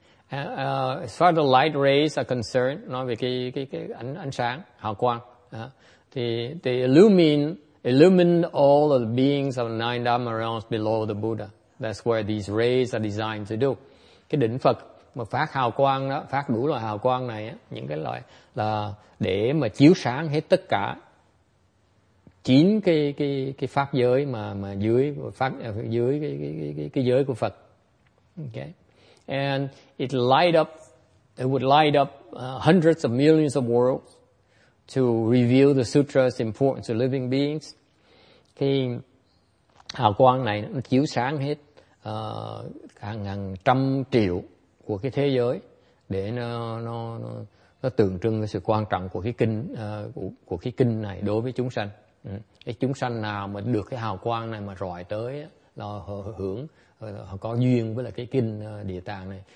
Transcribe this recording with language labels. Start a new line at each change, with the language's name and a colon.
English: As far as the light rays are concerned,
Vietnamese: nói về cái ánh sáng, hào quang,
English: they illumine all of the beings of nine dharma realms below the Buddha. That's where these rays are designed to do.
Vietnamese: Cái đỉnh Phật mà phát hào quang đó, phát đủ loại hào quang này, những cái loại là để mà chiếu sáng hết tất cả chín cái pháp giới mà dưới pháp dưới cái giới của Phật.
English: Okay. And it light up, it would light up hundreds of millions of worlds to reveal the sutras important to living beings.
Vietnamese: Khi hào quang này nó chiếu sáng hết hàng hàng trăm triệu của cái thế giới, để nó tượng trưng cái sự quan trọng của cái kinh của cái kinh này đối với chúng sanh. Cái chúng sanh nào mà được cái hào quang này mà rọi tới là họ hưởng, họ có duyên với là cái kinh Địa Tạng này.